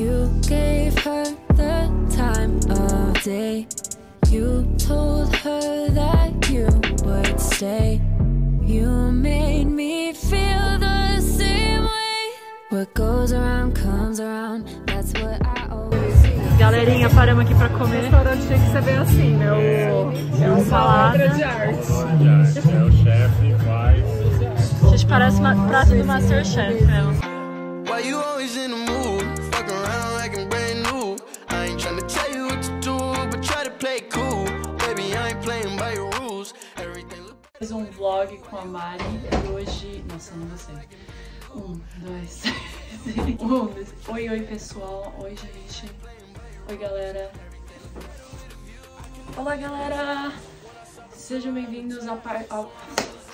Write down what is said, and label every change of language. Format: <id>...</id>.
<en>You gave her the time of day. You told her that you would stay. You made me feel the same way. What goes around comes around, that's what I always.</en> <pt>Galerinha, paramos aqui pra comer. O restaurante tinha que ser bem assim, né? É uma salada. É o chefe, faz. A gente parece uma prata do Masterchef, né?</pt> <en>Why you always in the mood? Fuck around like I'm brand new. I ain't tryna tell you what to do, but try to play cool. Baby, I ain't playing by your rules.</en> <pt>Fiz um vlog com a Mari e hoje. Nossa, não vai ser. Um, dois, três. Oi, oi, pessoal. Oi, gente. Oi, galera. Olá, galera. Sejam bem-vindos ao</pt>